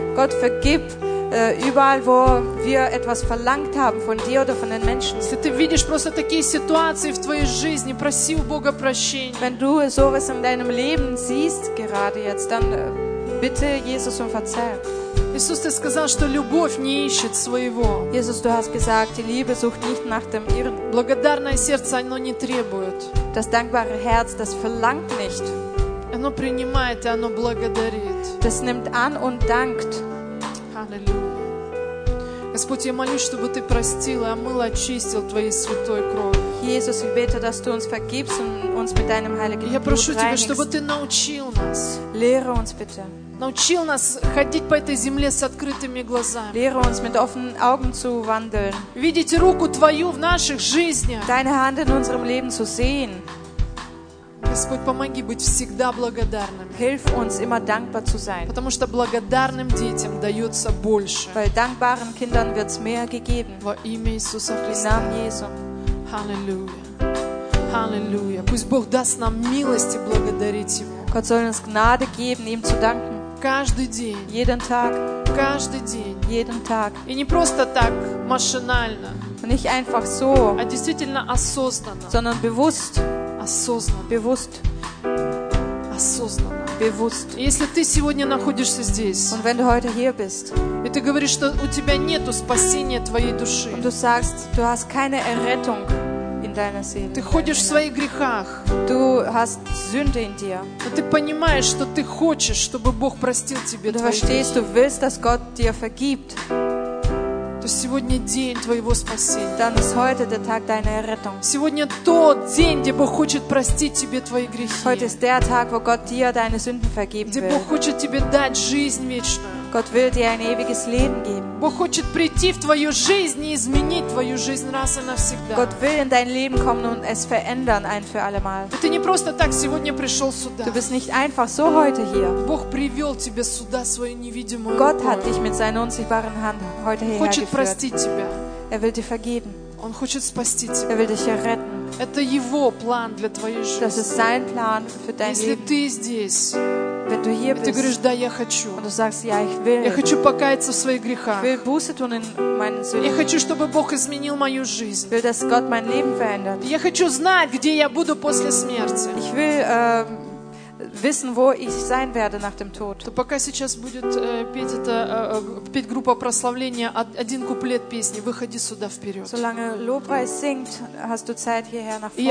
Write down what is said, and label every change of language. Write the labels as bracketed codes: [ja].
[de] Gott, vergib überall, wo wir etwas verlangt haben von dir oder von den Menschen. [ru] Если ты видишь просто такие ситуации в твоей жизни, проси у Бога прощения. [de] Wenn du sowas in deinem Leben siehst gerade jetzt, dann bitte Jesus um Verzeihung. [ru] Jesus, ты сказал, что любовь не ищет своего. [de] Jesus, du hast gesagt, die Liebe sucht nicht nach dem ihren. [ru] Благодарное сердце, оно не требует. [de] Das dankbare Herz, das verlangt nicht. [ru] Оно принимает и оно благодарит. [de] Das nimmt an und dankt. Halleluja. [ru] Господь, я молюсь, чтобы ты простил и омыл, очистил твоей святой кровью. [de] Jesus, ich bete, dass du uns vergibst und uns mit deinem heiligen Blut reinigst. [ru] Я прошу тебя, чтобы ты научил нас. [de] Lehre uns bitte. [ru] Научил нас ходить по этой земле с открытыми глазами. [de] Lehre uns mit offenen Augen zu wandeln. [ru] Видеть руку твою в наших жизнях. [de] Deine Hand in unserem Leben zu sehen. [ru] Господь, помоги быть всегда благодарным. [de] Hilf uns immer dankbar zu sein. [ru] Потому что благодарным детям дается больше. [de] Weil dankbaren Kindern wird's mehr gegeben. [ru] Во имя Иисуса Христа. [de] Im Namen Jesu. Halleluja. Halleluja. [ru] Пусть Бог даст нам милости благодарить Его. [de] Gott soll uns Gnade geben, ihm zu danken. [ru] Каждый день. [de] Jeden Tag. [ru] Каждый день. [de] Jeden Tag. [ru] И не просто так, машинально. [de] Und nicht einfach so. [ru] А действительно осознанно. [de] Sondern bewusst. [ru] Осознанно. [de] Bewusst. [ru] осознанно, [de] bewusst. [ru] Если ты сегодня находишься здесь, [de] und wenn du heute hier bist, [ru] и ты говоришь, что у тебя нету спасения твоей души, [de] und du sagst, du hast keine Errettung in deiner Seele, [ru] ты ходишь в своих грехах, [de] du hast Sünde in dir, [ru] но ты понимаешь, что ты хочешь, чтобы Бог простил тебе твои грехи, [de] du verstehst, du willst, dass Gott dir vergibt, [ru] сегодня день твоего спасения. [de] Heute der Tag deiner Errettung. [ru] Сегодня тот день, где Бог хочет простить тебе твои грехи. [de] Heute ist der Tag, wo Gott dir deine Sünden vergeben will. [ru] Где Бог хочет тебе дать жизнь вечную. [de] Gott will dir ein ewiges Leben geben. [ru] Бог хочет прийти в твою жизнь и изменить твою жизнь раз и навсегда. [de] Gott will in dein Leben kommen und es verändern ein für alle Mal. [ru] Ты не просто так сегодня пришел сюда. [de] Du bist nicht einfach so heute hier. [ru] Бог привел тебя сюда своей невидимой рукой. [de] Gott hat dich mit seiner unsichtbaren Hand heute hierher geführt. Er will dir vergeben. Er will dich retten. Das ist sein Plan für dein Leben. Wenn du hier bist und du sagst, ja, ich will. Ich will Buße tun in meinen Sünden. Ich will, dass Gott mein Leben verändert. Ich will wissen, wo ich sein werde nach dem Tod. [ru] То пока сейчас будет петь это петь группа прославления один куплет песни. Выходи сюда вперед. [de] Solange Lobpreis singt, hast du Zeit hierher nach vorne